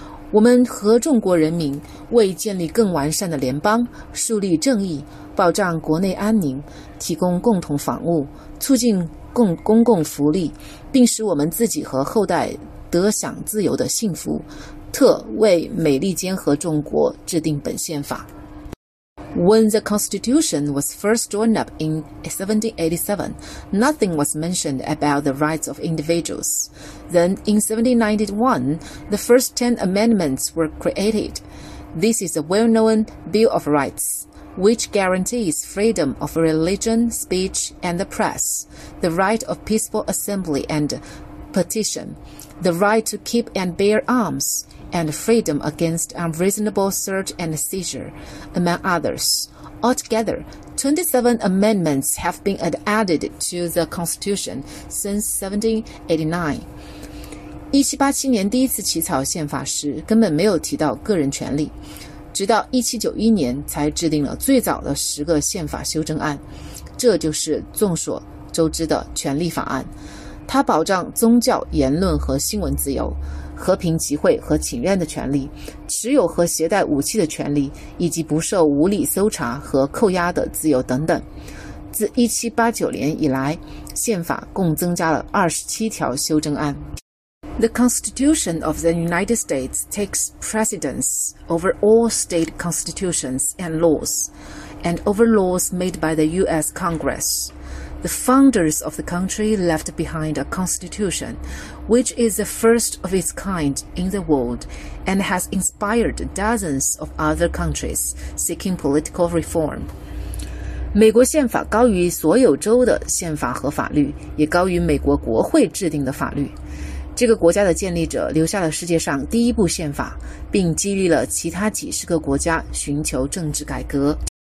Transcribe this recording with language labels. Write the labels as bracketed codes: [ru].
[zh] 我们合众国人民为建立更完善的联邦，树立正义，保障国内安宁，提供共同房屋，促进公共福利，并使我们自己和后代得享自由的幸福，特为美利坚合众国制定本宪法。 [en] When the Constitution was first drawn up in 1787, nothing was mentioned about the rights of individuals. Then, in 1791, the first 10 amendments were created. This is a well-known Bill of Rights, which guarantees freedom of religion, speech, and the press, the right of peaceful assembly and petition, the right to keep and bear arms,and freedom against unreasonable search and seizure, among others, Altogether, 27 amendments have been added to the Constitution since 1789. [zh] 1787年第一次起草宪法时根本没有提到个人权利，直到1791年才制定了最早的十个宪法修正案，这就是众所周知的权利法案。它保障宗教、言论和新闻自由，和平集会和请愿的权利，持有和携带武器的权利，以及不受无理搜查和扣押的自由等等。自1789年以来，宪法共增加了27条修正案。 [en] The Constitution of the United States takes precedence over all state constitutions and laws, and over laws made by the U.S. Congress. The founders of the country left behind a constitution, which is the first of its kind in the world and has inspired dozens of other countries seeking political reform. [zh] 美国宪法高于所有州的宪法和法律，也高于美国国会制定的法律。这个国家的建立者留下了世界上第一部宪法，并激励了其他几十个国家寻求政治改革。